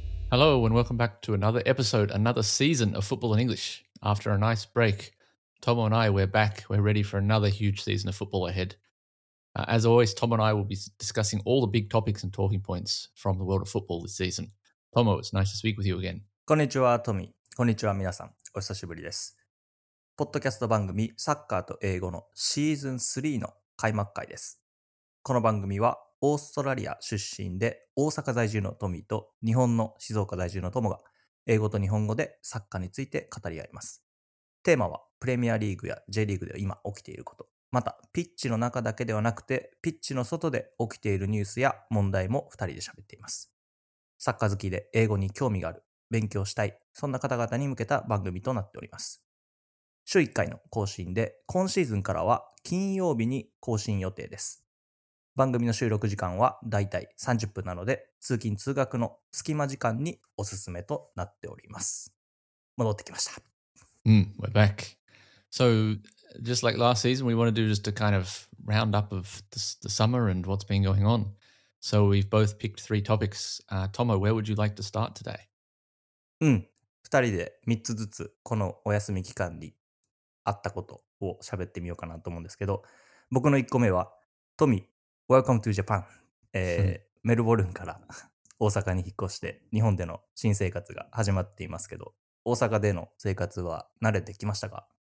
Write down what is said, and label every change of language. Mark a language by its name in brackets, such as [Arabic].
[English] Hello and welcome back to another episode, another season of Football in English. After a nice break, Tomo and I, we're back. We're ready for another huge season of football ahead. As always, Tomo and I will be discussing all the big topics and talking points from the world of football this season. Tomo, it's nice to speak with you again. [Japanese] Konnichiwa, Tomi. Konnichiwa, minasan. お久しぶりです。ポッドキャスト番組サッカーと英語のシーズン3の開幕回です。この番組はオーストラリア出身で大阪在住のトミーと日本の静岡在住のトモが英語と日本語でサッカーについて語り合います。テーマはプレミアリーグや J リーグで今起きていること、またピッチの中だけではなくてピッチの外で起きているニュースや問題も2人で喋っています。サッカー好きで英語に興味がある、勉強したい、そんな方々に向けた番組となっております。週1回の更新で、今シーズンからは金曜日に更新予定です。番組の収録時間はだいたい30分なので、通勤通学の隙間時間におすすめとなっております。戻ってきました。 [English] We're back. So, just like last season, we want to do just a kind of round up of the summer and what's been going on. So, we've both picked three topics. Tomo, where would you like to start today? [Japanese] 二人で三つずつこのお休み期間にあったことを喋ってみようかなと思うんですけど、僕の一個目は、トミ、 [English] Welcome to Japan。 [Japanese] メルボルンから大阪に引っ越して日本での新生活が始まっていますけど、大阪での生活は慣れてきましたか？